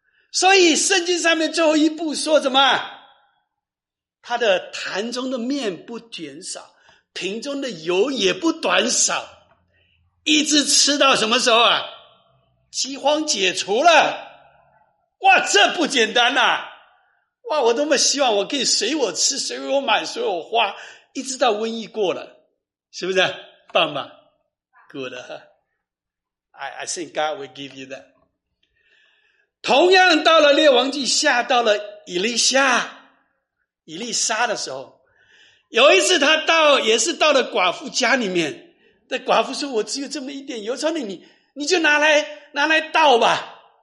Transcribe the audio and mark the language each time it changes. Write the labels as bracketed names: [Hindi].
[Chinese] 所以圣经上面最后一步说什么？他的坛中的面不减少，瓶中的油也不短少，一直吃到什么时候啊？饥荒解除了。哇，这不简单啊。哇，我多么希望我可以随我吃随我买随我花，一直到瘟疫过了，是不是棒吧？ [English] Good. I think God will give you that. [Chinese] 同样到了列王记下，到了以利沙的时候，有一次他到，也是到了寡妇家里面，那寡妇说我只有这么一点油，说你就拿来倒吧。